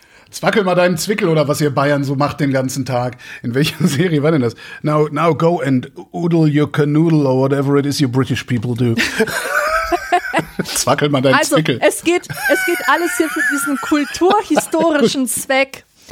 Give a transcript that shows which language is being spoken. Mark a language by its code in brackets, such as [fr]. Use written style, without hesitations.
[de] Zwackel mal deinen Zwickel oder was ihr Bayern so macht den ganzen Tag. In welcher Serie war denn das? [en] Now go and oodle your canoodle or whatever it is you British people do. [de] Zwackel mal deinen also, Zwickel. Also es geht alles hier für diesen kulturhistorischen Zweck.